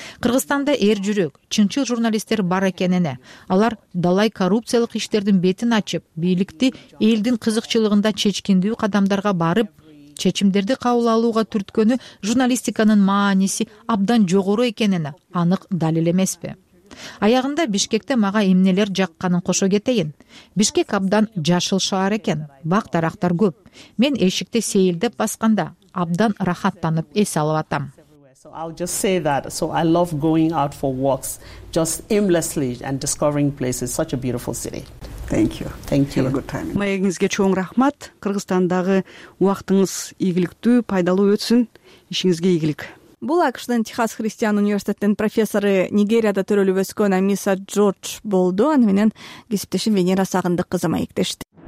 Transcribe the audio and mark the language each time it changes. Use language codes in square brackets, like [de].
[ky] Кыргызстанда эр жүрөк, чынчыл журналисттер бар экенине, алар далай коррупциялык иштердин бетин ачып, бийликти элдин кызыкчылыгында чечкиндүү кадамдарга барып, чечимдерди кабыл алууга түрткөнү журналистиканын мааниси абдан жогору экенине анык далил эмеспи? Аягында Бишкекте мага эмнелер жакканын кошо кетейин. Бишкек абдан жашыл шаар экен, бак дарактар көп. Мен эшикте сейилдеп басканда абдан рахаттанып эс алып атам. [en] So I'll just say that. So I love going out for walks just aimlessly and discovering places. Such a beautiful city. Thank you. Thank you. [ky] Маегиңизге чоң рахмат. Кыргызстандагы убактыңыз ийгиликтүү, пайдалуу өтсүн. Ишиңизге ийгилик. Бул АКШтын Техас Христиан университетинин профессору, Нигерияда төрөлүп өскөн Амиса Джордж болду. Аны менен кесиптешим Венера Сагындык кызы маектешти.